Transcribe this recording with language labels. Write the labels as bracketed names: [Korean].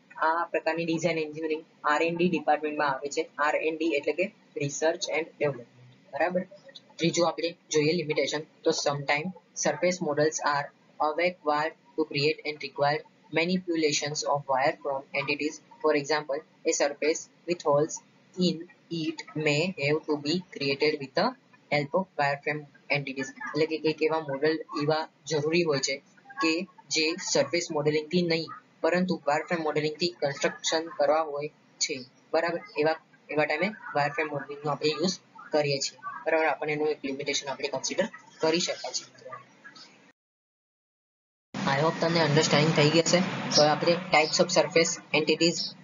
[Gujarati] આ પ્રકારની design engineering R&D ડિપાર્ટમેન્ટમાં આવે છે R&D એટલે કે રિસર્ચ એન્ડ ડેવલપમેન્ટ બરાબર ત્રીજું આપણે જોઈએ લિમિટેશન તો [English] Sometime surface models are awkward to create and require manipulations of wireframe entities. For example, a surface with holes in it may have to be created with the help of wireframe entities. [Gujarati] એટલે કે કઈક એવા model એવા જરૂરી હોય છે કે જે સરફેસ મોડેલિંગથી નહીં પરંતુ વાયરફ્રેમ મોડેલિંગથી કન્સ્ટ્રક્શન કરવા હોય છે બરાબર એવા એવા ટાઈમે વાયરફ્રેમ મોડેલિંગનો આપણે યુઝ કરીએ છીએ બરાબર આપણે એનું એક લિમિટેશન આપણે કન્સિડર કરી શકાય છે આઈ હોપ તમને અન્ડરસ્ટેન્ડિંગ થઈ ગઈ છે તો આપણે ટાઈપ્સ ઓફ સરફેસ એન્ટિટીઝ